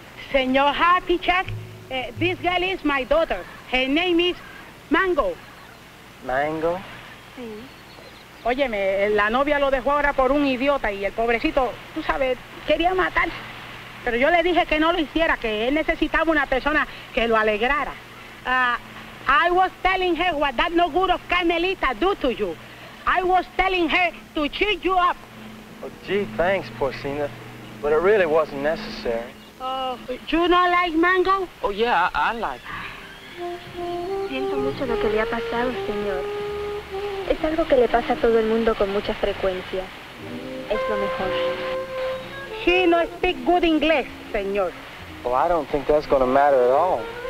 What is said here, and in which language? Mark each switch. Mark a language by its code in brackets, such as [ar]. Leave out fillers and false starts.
[en] Senor Happy Jack, this girl is my daughter. Her name is Mango. Mango? [es] Sí. Óyeme, la novia lo dejó ahora por un idiota y el pobrecito, tú sabes, quería matar. Pero yo le dije que no lo hiciera, que él necesitaba una persona que lo alegrara. [en] I was telling her what that no good of Carmelita do to you. I was telling her to cheer you up. Oh, gee, thanks, Porcina. But it really wasn't necessary. Oh, you not like Mango? Oh, yeah, I like it. [es] Siento mucho lo que le ha pasado, señor. Es algo que le pasa a todo el mundo con mucha frecuencia. Es lo mejor. [en] She no speak good English, señor. Well, I don't think that's going to matter at all.